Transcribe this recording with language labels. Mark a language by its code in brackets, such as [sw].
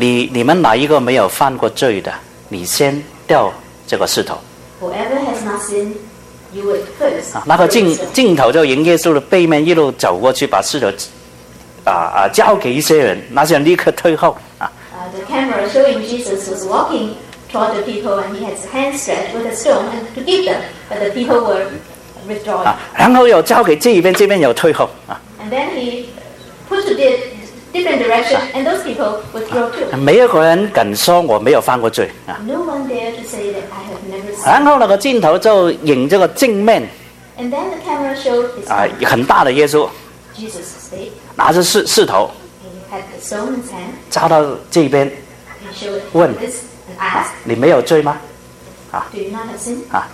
[zh] 你们哪一个没有犯过罪的，你先掉这个石头。 [en] Whoever has not sinned, you would first. [zh] 那个镜头就迎耶稣的背面一路走过去，把石头交给一些人，那些人立刻退后。 [en] The camera showing Jesus was walking toward the people, and he had his hand stretched with a stone and to give them, but the people were withdrawing. [zh] 然后又交给这边又退后。 [en] And then he pushed it. Different direction, and those people withdraw too. [zh] 没有个人敢说我没有犯过罪。 [en] No one dare to say that I have never sinned. [zh] 然后那个镜头就引这个镜面。 [en] And then the camera showed his face. [zh] 很大的耶稣。 [en] Jesus' face. [zh] 拿着石头。 [en] He had the stone in his hand. [zh] 扎到这边。 [en] He showed this and asked. [zh] 你没有罪吗？ [en] Do you not have sinned?